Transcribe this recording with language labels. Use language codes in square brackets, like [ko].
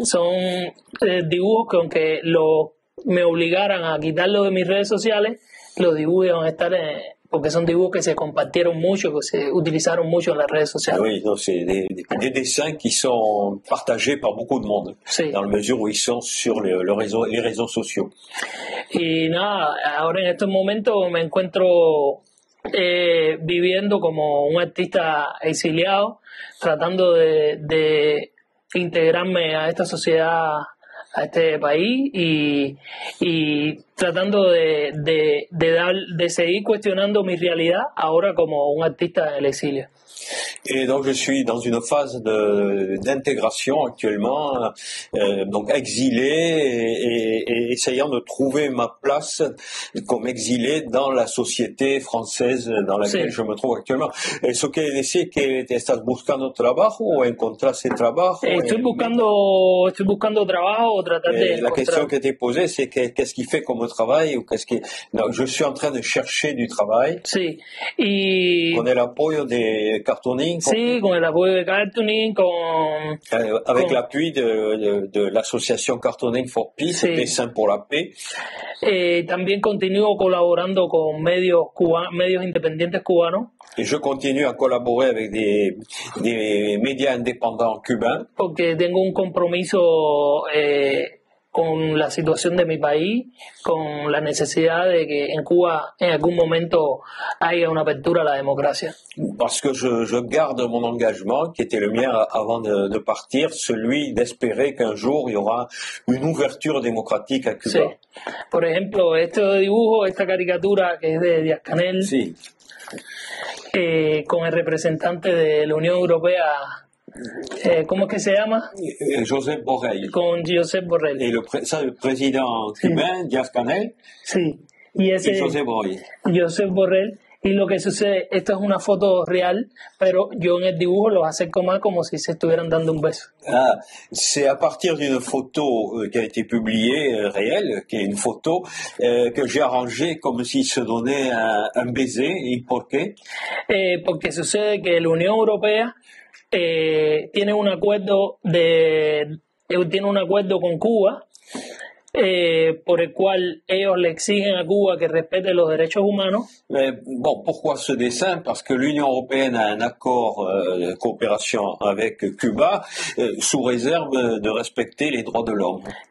[es] Son dibujos que aunque me obligaran a quitarlo de mis redes sociales, los dibujos iban a estar en... Porque son dibujos que se compartieron mucho, que se utilizaron mucho en las redes sociales. [fr] Oui, donc c'est des dessins qui sont partagés par beaucoup de monde, [es] sí. [fr] Dans la mesure où ils sont sur les réseaux sociaux. [es] Y nada, ahora en estos momentos me encuentro viviendo como un artista exiliado, tratando de integrarme a esta sociedad, a este país y tratando de seguir cuestionando mi realidad ahora como un artista en el exilio. [fr] Et donc je suis dans une phase d'intégration actuellement, donc exilé et essayant de trouver ma place comme exilé dans la société française dans laquelle, sí, je me trouve actuellement. Est-ce que [es] decir que estás buscando trabajo o encontraste trabajo? Estoy buscando trabajo, tratar de [fr] la question que t'es posée, c'est qu'est-ce qui fait comme travail ou qu'est-ce qui... Non, je suis en train de chercher du travail. [es] Sí. Con el apoyo de Cartooning. Sí, con el apoyo de Cartooning, [fr] avec l'appui de l'association Cartooning for Peace, sí. Dessin pour la paix. [es] También continúo colaborando con medios independientes cubanos. [fr] Et je continue à collaborer avec des médias indépendants cubains. [es] Porque tengo un compromiso con la situación de mi país, con la necesidad de que en Cuba en algún momento haya una apertura a la democracia. [fr] Parce que je garde mon engagement, qui était le mien avant de partir, celui d'espérer qu'un jour il y aura une ouverture démocratique à [es] Sí, [fr] Cuba. [es] por ejemplo, este dibujo, esta caricatura que es de Díaz-Canel, Sí. con el representante de la Unión Europea, ¿cómo es que se llama? Josep Borrell. Con Josep Borrell. [fr] Et le président [es] Sí, [fr] cubain, Díaz-Canel, [es] y [fr] et [es] ese Josep Borrell. Josep Borrell, y lo que sucede, esto es una foto real, pero yo en el dibujo lo acerco más como si se estuvieran dando un beso. [fr] Ah, c'est à partir d'une photo qui a été publiée, réelle, qui est une photo, que j'ai arrangée comme s'il se donnait un baiser. Et pourquoi? [es] Porque sucede que la Unión Europea tiene un acuerdo tiene un acuerdo con Cuba, por el cual ellos le exigen a Cuba que respete los derechos humanos. [fr] Mais bon, pourquoi ce dessin? Parce que l'Union européenne a un accord de coopération avec Cuba sous réserve de respecter les droits de l'homme.